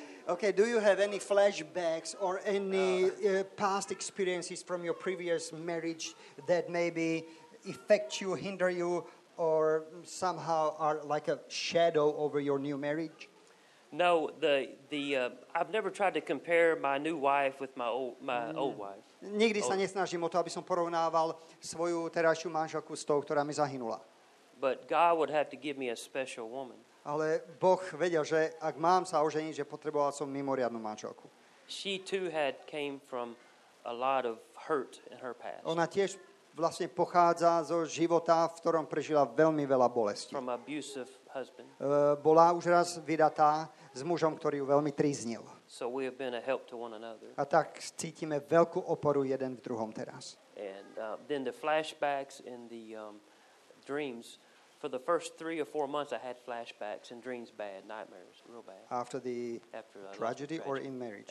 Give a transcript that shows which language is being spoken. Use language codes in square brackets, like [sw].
[en] Okay, do you have any flashbacks or any past experiences from your previous marriage that maybe affect you, hinder you, or somehow are like a shadow over your new marriage? No, I've never tried to compare my new wife with my old wife. [sk] Nikdy sa nesnažím o to, aby som porovnával svoju terajšiu manželku s tou, ktorá mi zahynula. [en] But God would have to give me a special woman. [sk] Ale Boh vedel, že ak mám sa oženiť, že potreboval som mimoriadnu manželku. [en] She too had came from a lot of hurt in her past. [sk] Ona tiež vlastne pochádza zo života, v ktorom prežila veľmi veľa bolesti. [en] From abusive husband. [sk] Bola už raz vydatá s mužom, ktorý ju veľmi trýznil. [en] So we have been a help to one another. [sk] A tak cítime veľkú oporu jeden v druhom teraz. [en] And then the flashbacks and the dreams. For the first 3 or 4 months I had flashbacks and dreams bad, nightmares, real bad. After the tragedy or in marriage?